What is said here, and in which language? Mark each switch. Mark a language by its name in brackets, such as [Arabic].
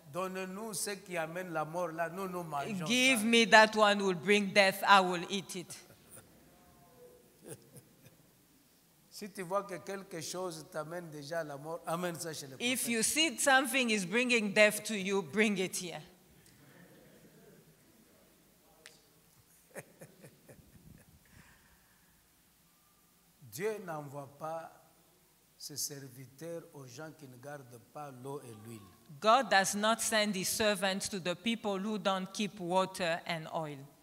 [French] donne-nous ce qui amène la mort là, nous nous mangeons. [English] Give me that one will bring death, I will eat it. [French] Si tu vois que quelque chose t'amène déjà à la mort, amène ça chez le prophète. [English] If you see something is bringing death to you, bring it here. [French] Dieu n'envoie pas ses serviteurs aux gens qui ne gardent pas l'eau et l'huile. [English] God does not send his servants to the people who don't keep water and oil.